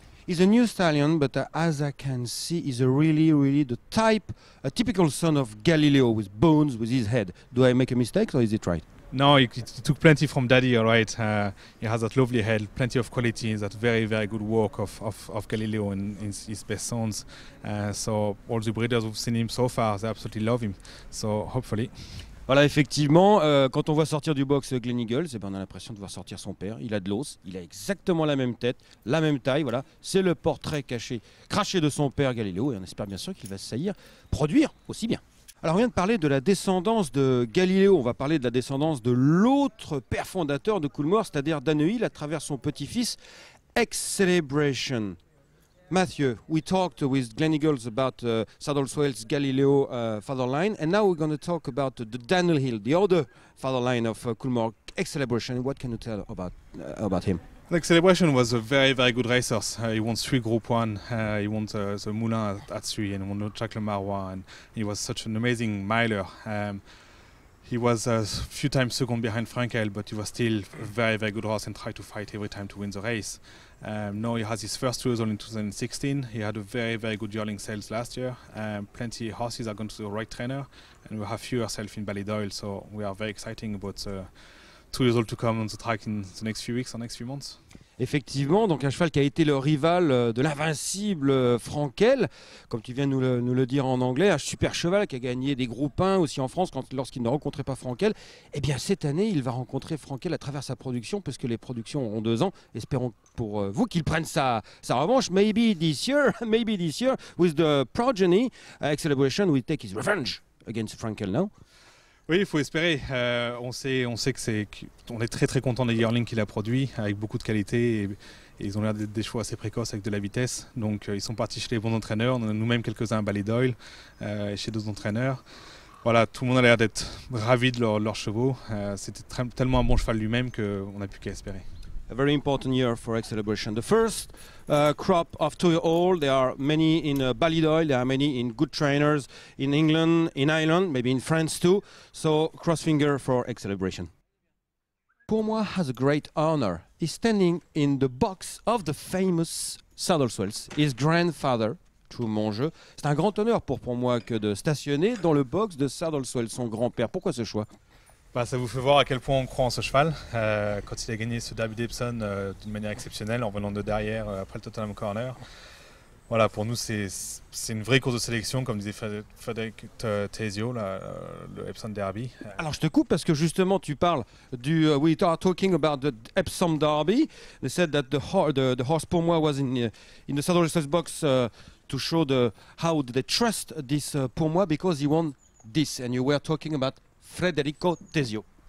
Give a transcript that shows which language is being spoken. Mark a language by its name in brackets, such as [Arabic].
[English] He's a new stallion, but as I can see, he's a really, really the type, a typical son of Galileo with bones, with his head. Do I make a mistake or is it right? No, he took plenty from daddy, all right. He has that lovely head, plenty of quality, that very, very good work of Galileo and his best sons. So all the breeders who've seen him so far, they absolutely love him. So hopefully. [French] Voilà, effectivement, quand on voit sortir du box Glen Eagles, eh ben, on a l'impression de voir sortir son père. Il a de l'os, il a exactement la même tête, la même taille. Voilà, c'est le portrait craché de son père Galileo et on espère bien sûr qu'il va saillir produire aussi bien. Alors on vient de parler de la descendance de Galileo, on va parler de la descendance de l'autre père fondateur de Coolmore, c'est-à-dire Danehill, à travers son petit-fils, Ex-Celebration. [English] Mathieu, we talked with Glen Eagles about Saddleswell's Galileo father line, and now we're going to talk about the Danehill, the other father line of Coolmore, Ex-Celebration. What can you tell about him? Like Celebration was a very, very good racer. He won 3 Group 1, he won the Moulin at 3, and won Jacques Le Marois, and he was such an amazing miler. He was a few times second behind Frankel, but he was still a very, very good horse and tried to fight every time to win the race. Now he has his first 2 years old in 2016. He had a very, very good yearling sales last year. Plenty of horses are going to the right trainer, and we have few ourselves in Ballydoyle, so we are very excited about the 2 years old to come on the track in the next few weeks or next few months. [French] Effectivement, donc un cheval qui a été le rival de l'invincible Frankel, comme tu viens nous le dire en anglais, un super cheval qui a gagné des groupes 1 aussi en France lorsqu'il ne rencontrait pas Frankel. Eh bien cette année, il va rencontrer Frankel à travers sa production, puisque les productions auront 2 ans. Espérons pour vous qu'il prenne sa revanche. [English] Maybe this year, with the progeny, Ex-Celebration will take his revenge against Frankel now. [French] Oui, il faut espérer. On sait que on est très très content des yearlings qu'il a produits, avec beaucoup de qualité. Et ils ont l'air des chevaux assez précoces avec de la vitesse. Donc ils sont partis chez les bons entraîneurs. On a nous-mêmes quelques-uns à Ballydoyle, chez d'autres entraîneurs. voilà, tout le monde a l'air d'être ravi de leurs chevaux. C'était tellement un bon cheval lui-même qu'on n'a plus qu'à espérer. [English] A very important year for X Celebration. The first crop of two-year-old. There are many in Ballydoyle. There are many in good trainers in England, in Ireland, maybe in France too. So cross finger for X Celebration. Pour moi has a great honor. He's standing in the box of the famous Saddleswells, his grandfather. [French] Mon jeu. C'est un grand honneur pour moi que de stationner dans le box de Saddleswell, son grand-père. Pourquoi ce choix? Bah, ça vous fait voir à quel point on croit en ce cheval. Quand il a gagné ce Derby d'Epsom d'une manière exceptionnelle en venant de derrière après le Tottenham Corner. Voilà, pour nous, c'est une vraie course de sélection, comme disait Frédéric Tézio, le Epsom Derby. Alors, je te coupe parce que justement, tu parles du... [English] we are talking about the Epsom Derby. They said that the horse pour moi was in the Saddleswell box to show the how they trust this pour moi because he won this, and you were talking about Federico Tezio.